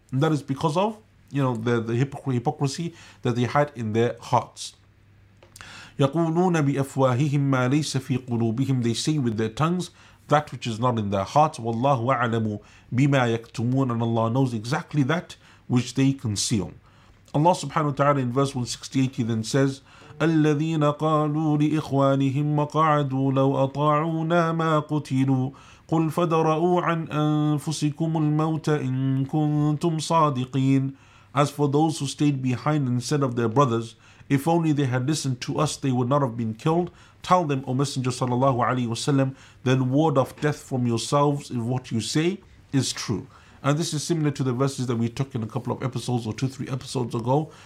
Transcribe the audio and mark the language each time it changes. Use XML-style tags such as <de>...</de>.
<en>And that is because of, you know, the hypocrisy that they had in their hearts.</en> <ar>يَقُولُونَ بِأَفْوَاهِهِمْ مَا لَيْسَ فِي قُلُوبِهِمْ.</ar> <en>They say with their tongues that which is not in their hearts.</en> <ar>وَاللَّهُ أَعْلَمُ بِمَا يَكْتُمُونَ.</ar> <en>And Allah knows exactly that which they conceal. Allah subhanahu wa ta'ala in verse 168, he then says,</en> <ar>الَّذِينَ قَالُوا لِإِخْوَانِهِمْ مَقَعَدُوا لَوْ أَطَاعُونَا مَا قُتِلُوا قُلْ فَدَرَؤُوا عَنْ أَنفُسِكُمُ الْمَوْتَ إِن كُنْتُمْ صَادِقِينَ.</ar> <en>As for those who stayed behind and said of their brothers, if only they had listened to us, they would not have been killed. Tell them, O Messenger sallallahu alaihi wasallam, then ward off death from yourselves if what you say is true. And this is similar to the verses that we took in a couple of episodes or two, three episodes ago.</en>